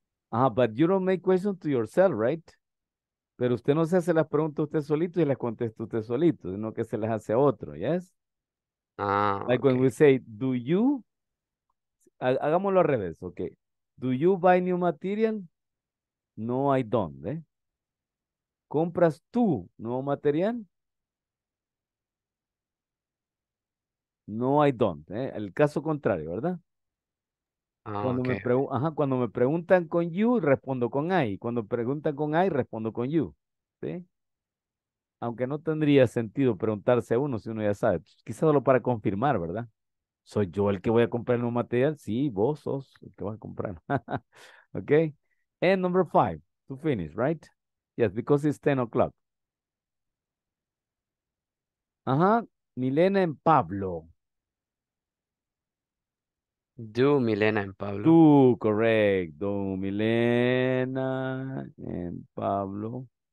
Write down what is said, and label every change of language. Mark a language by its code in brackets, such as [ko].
[en] But you don't make questions to yourself, right? [es] Pero usted no se hace las preguntas usted solito y las contesta usted solito, sino que se las hace a otro, ¿yes? [en] Like okay. When we say, do you? [es] Hagámoslo al revés, [en] ok. Do you buy new material? No, I don't, ¿eh? [es] ¿Compras tú nuevo material? [en] No, I don't. [es] ¿Eh? El caso contrario, ¿verdad? Cuando me preguntan con you, respondo con I. Cuando preguntan con I, respondo con you. ¿Sí? Aunque no tendría sentido preguntarse a uno si uno ya sabe. Quizás solo para confirmar, ¿verdad? ¿Soy yo el que voy a comprar el nuevo material? Sí, vos sos el que vas a comprar. [en] Ok. And number five, to finish, right? Yes, because it's 10 o'clock. Milena and Pablo. Do Milena and Pablo. Do, correct. Do Milena and Pablo.